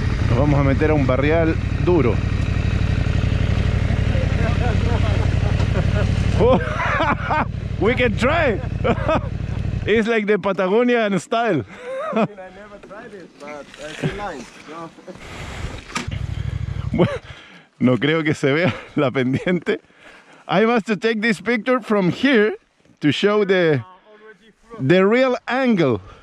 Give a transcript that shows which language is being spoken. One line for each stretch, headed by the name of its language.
Spanish: Nos vamos a meter a un barrial duro.
English: Oh, we can try. It's like the Patagonian style. I mean, I never tried it, but nice.
Spanish: Well, no creo que se vea la pendiente.
English: I must to take this picture from here to show the real angle.